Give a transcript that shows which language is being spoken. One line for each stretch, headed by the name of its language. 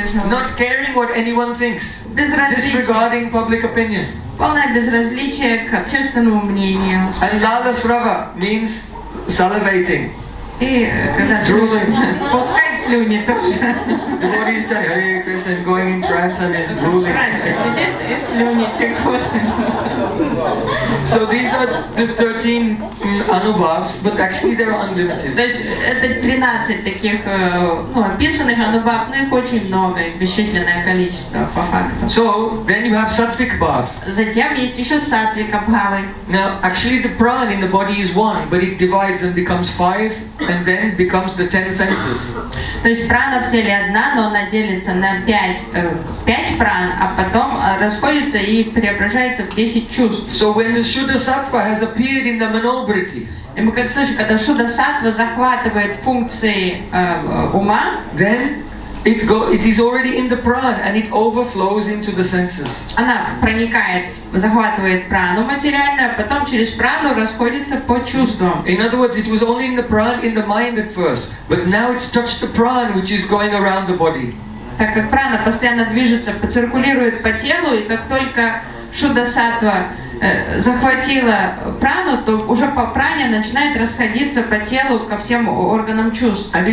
English: Not caring what anyone thinks. Disregarding public opinion.
Russian: Полное безразличие к общественному мнению.
English: And lala srava means salivating.
Russian: И когда
English: drooling.
Russian: Пускай слюни тоже.
English: Devotee is telling Hare Krishna is going in trance and is drooling.
Russian: Раньше сидит и слюни текут.
English: So these are the 13 anubhavs, but actually they're unlimited.
Russian: То есть это 13 таких описанных анубав, но их очень много, бесчисленное количество по факту.
English: So then you have sattvic bhav.
Russian: Затем есть еще sattvic bhavы.
English: Now actually the prana in the body is one, but it divides and becomes five. And then becomes the 10 senses.
Russian: То есть прана в теле одна, но она делится на 5 пран, а потом расходится и преображается в 10 чувств.
English: So when the Shuddha Sattva has appeared in the Manobriti,
Russian: и мы как слышим, когда Shuddha Sattva захватывает функции ума,
English: then it is already in the prana and it overflows into the senses.
Russian: Она проникает, захватывает прану материальную, а потом через прану расходится по чувствам.
English: In other words, it was only in the prana in the mind at first, but now it's touched the prana which is going around the body.
Russian: Так как прана постоянно движется, поциркулирует по телу, и как только Шуддасатва захватила прану, то уже по пране начинает расходиться по телу ко всем органам чувств.